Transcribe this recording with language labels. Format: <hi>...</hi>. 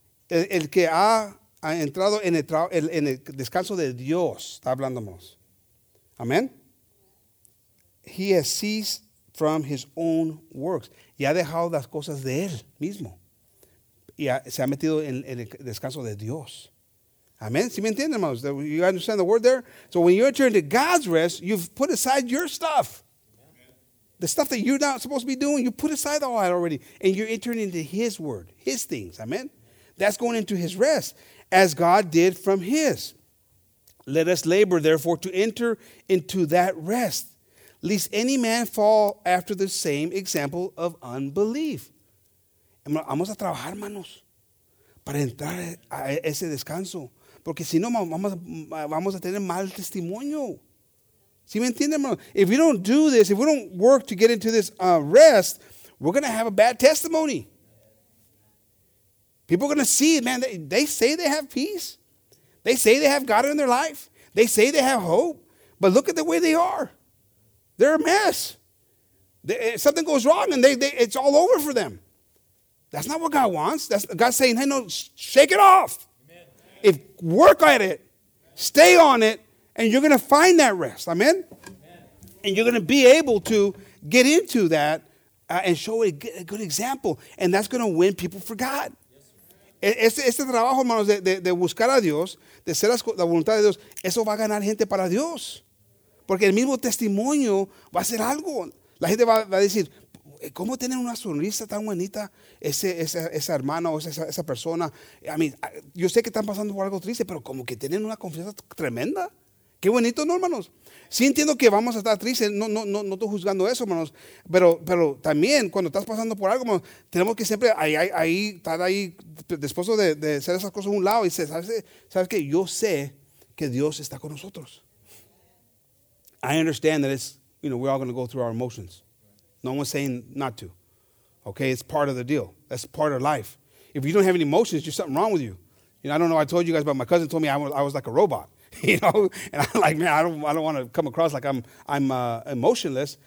<es>El que ha entrado en el descanso de Dios. Está hablando más. Amen.</es> <en>He has ceased from his own works.</en> <es>Y ha dejado las cosas de él mismo. Y se ha metido en el descanso de Dios.</es> <en>Amen.</en> <es>¿Sí me entienden, hermanos?</es> <en>You understand the word there? So when you enter into God's rest, you've put aside your stuff. Amen. The stuff that you're not supposed to be doing, you put aside all that already. And you're entering into his word, his things. Amen. That's going into his rest, as God did from his. Let us labor, therefore, to enter into that rest, lest any man fall after the same example of unbelief.</en> <es>Vamos a trabajar, hermanos, para entrar a ese descanso. Porque si no, vamos a tener mal testimonio. ¿Sí me entienden, hermanos?</es> <en>If we don't do this, if we don't work to get into this rest, we're going to have a bad testimony. People are going to see, man, they say they have peace. They say they have God in their life. They say they have hope. But look at the way they are. They're a mess. Something goes wrong and they it's all over for them. That's not what God wants. That's God saying, hey, no, shake it off. Amen. If work at it, stay on it, and you're going to find that rest. Amen? Amen. And you're going to be able to get into that and show a good example. And that's going to win people for God.</en> <es>Yes, este trabajo, hermanos, de buscar a Dios, de hacer la voluntad de Dios, eso va a ganar gente para Dios. Porque el mismo testimonio va a ser algo. La gente va a decir, ¿cómo tener una sonrisa tan bonita esa hermana o esa persona? I mean, yo sé que están pasando por algo triste, pero como que tienen una confianza tremenda. Qué bonito, ¿no, hermanos? Sí entiendo que vamos a estar tristes. No estoy juzgando eso, hermanos. Pero también cuando estás pasando por algo, hermanos, tenemos que siempre ahí estar ahí dispuesto de hacer esas cosas a un lado. Y dice, ¿sabes qué? Yo sé que Dios está con nosotros.</es> <en>I understand that it's, you know, we're all going to go through our emotions. No one's saying not to. Okay, it's part of the deal. That's part of life. If you don't have any emotions, there's something wrong with you. You know, I don't know. I told you guys, but my cousin told me I was like a robot. You know, and I'm like, man, I don't want to come across like I'm emotionless.</en>